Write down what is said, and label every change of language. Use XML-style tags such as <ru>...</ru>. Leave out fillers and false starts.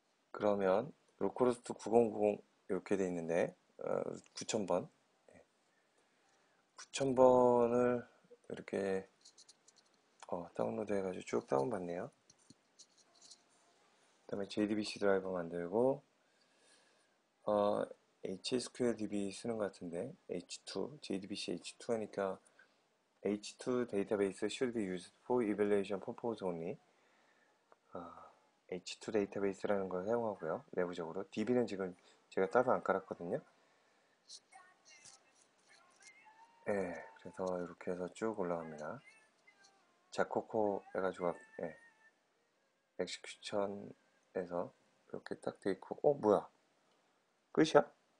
<ko>그러면 로컬호스트 9000 이렇게 돼 있는데 9000번 9000번을 이렇게 다운로드 해가지고 쭉 다운받네요. 그 다음에 JDBC 드라이버 만들고 HSQLDB 쓰는 것 같은데 H2, JDBC H2 하니까 H2 데이터베이스</ko> <en>should be used for evaluation purpose only.</en> <ko>H2 데이터베이스라는 걸 사용하고요. 내부적으로 DB는 지금 제가 따로 안 깔았거든요. 예, 그래서 이렇게 해서 쭉 올라갑니다. 자코코 해가지고 예, 엑시큐션에서 이렇게 딱 돼있고 뭐야? 끝이야?</ko>